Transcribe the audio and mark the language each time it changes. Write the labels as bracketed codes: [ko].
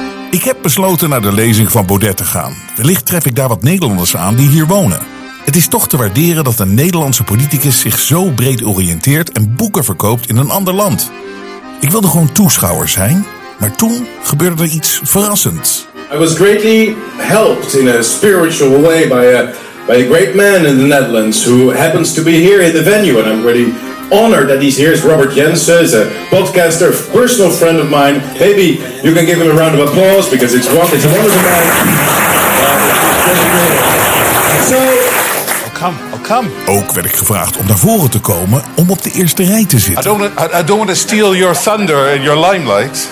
[nl] Ik heb besloten naar de lezing van Baudet te gaan. Wellicht tref ik daar wat Nederlanders aan die hier wonen. Het is toch te waarderen dat een Nederlandse politicus zich zo breed oriënteert en boeken verkoopt in een ander land. Ik wilde gewoon toeschouwer zijn, maar toen gebeurde er iets verrassends. [en] I was greatly helped in a spiritual way by a great man in the Netherlands who happens to be here in the venue, and I'm really honored that he's here. Is Robert Jensen, is a podcaster, a personal friend of mine. Maybe you can give him a round of applause because it's a wonderful guy. So, I'll come. [nl] Ook werd ik gevraagd om naar voren te komen om op de eerste rij te zitten. [en] I don't want to steal your thunder and your limelight.